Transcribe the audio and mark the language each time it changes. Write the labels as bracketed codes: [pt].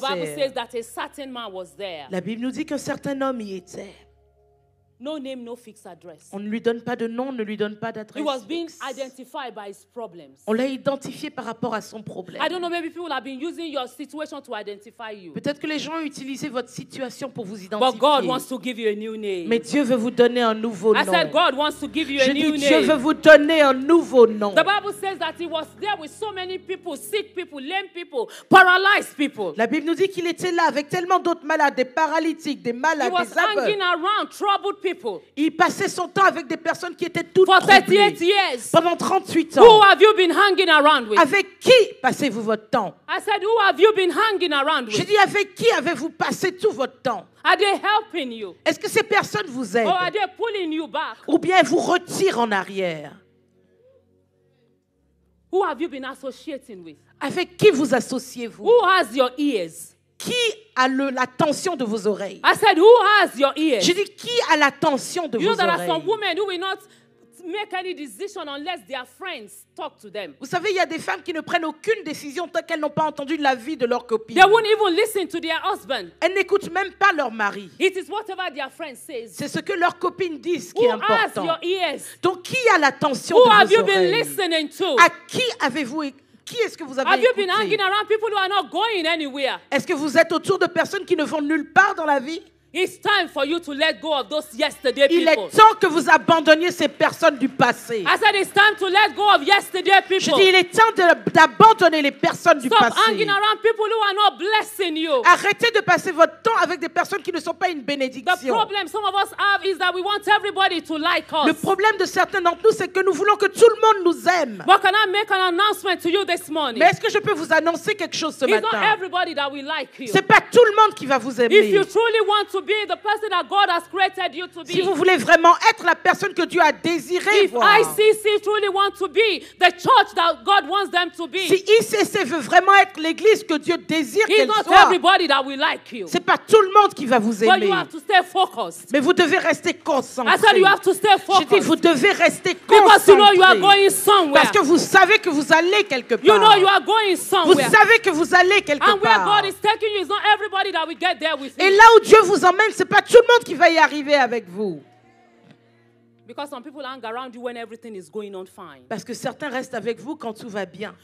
[en] The Bible says that a certain man was there. [fr] La Bible nous dit qu'un certain homme y était. [en] No name, no fixed address. [fr] On ne lui donne pas de nom, on ne lui donne pas d'adresse. [en] He was being identified by his problems. [fr] On l'a identifié par rapport à son problème. [en] I don't know, maybe people have been using your situation to identify you. [fr] Peut-être que les gens ont utilisé votre situation pour vous identifier. [en] But God wants to give you a new name. [fr] Mais Dieu veut vous donner un nouveau nom. [en] I said God wants to give you a new name. [fr] Dieu veut vous donner un nouveau nom. [en] The Bible says that he was there with so many people, sick people, lame people, paralyzed people. [fr] La Bible nous dit qu'il était là avec tellement d'autres malades, des paralytiques, des malades, des aveugles. [en] He was hanging around troubled people. [fr] Il passait son temps avec des personnes qui étaient toutes troublées. Pendant 38 ans. [en] Who have you been hanging around with? [fr] Avec qui passez-vous votre temps? [en] I said, who have you been hanging around with? [fr] J'ai dit, avec qui avez-vous passé tout votre temps? [en] Are they helping you? [fr] Est-ce que ces personnes vous aident? [en] Or are they pulling you back? [fr] Ou bien elles vous retirent en arrière? [en] Who have you been associating with? [fr] Avec qui vous associez-vous? [en] Who has your ears? [fr] Qui a l'attention de vos oreilles? [en] I said, who has your ears? [fr] Je dis, qui a l'attention de [en] you [fr] vos [en] know [fr] oreilles? [en] You know there are some women who will not make any decision unless their friends talk to them. [fr] Vous savez, il y a des femmes qui ne prennent aucune décision tant qu'elles n'ont pas entendu l'avis de leur copine. [en] They won't even listen to their husband. [fr] Elles n'écoutent même pas leur mari. [en] It is whatever their friend says. [fr] C'est ce que leurs copines disent [en] who [fr] qui est important. [en] Has your ears? [fr] Donc, qui a l'attention [en] who [fr] de [en] have [fr] vos [en] you been [fr] oreilles? [en] Listening to? [fr] À qui avez-vous écouté? Qui est-ce que vous avez [en] have you been hanging around people who are not going anywhere? [fr] Est-ce que vous êtes autour de personnes qui ne vont nulle part dans la vie? [en] It's time for you to let go of those yesterday people. [fr] Il est temps que vous abandonniez ces personnes du passé. [en] I said it's time to let go of yesterday people. [fr] Je dis il est temps d'abandonner les personnes [en] stop [fr] du passé. [en] Stop hanging around people who are not blessing you. [fr] Arrêtez de passer votre temps avec des personnes qui ne sont pas une bénédiction. [en] The problem some of us have is that we want everybody to like us. [fr] Le problème de certains d'entre nous c'est que nous voulons que tout le monde nous aime. [en] But can I make an announcement to you this morning? [fr] Mais est-ce que je peux vous annoncer quelque chose ce [en] it's [fr] matin? [en] It's not everybody that will like you. [fr] C'est pas tout le monde qui va vous aimer. [en] If you truly want to be the person that God has created you to be. [fr] Si vous voulez vraiment être la personne que Dieu a désiré [en] if [fr] voir. [en] If ICC truly want to be the church that God wants them to be. [fr] Si ICC veut vraiment être l'église que Dieu désire [en] he's [fr] qu'elle [en] not [fr] soit. [en] Everybody that will like you. [fr] C'est pas tout le monde qui va vous aimer. [en] But you have to stay focused. [fr] Mais vous devez rester concentré. [en] I said you have to stay focused. [fr] Je dis vous devez rester [en] because [fr] concentré. [en] Because you know you are going somewhere. [fr] Parce que vous savez que vous allez quelque part. [en] You know you are going somewhere. [fr] Vous savez que vous allez quelque [en] and [fr] part. [en] And where God is taking you is not everybody that will get there with you. [fr] Et là où Dieu vous même c'est pas tout le monde qui va y arriver avec vous. [en] Because some people hang around you when everything is going on fine. [fr] Parce que certains restent avec vous quand tout va bien.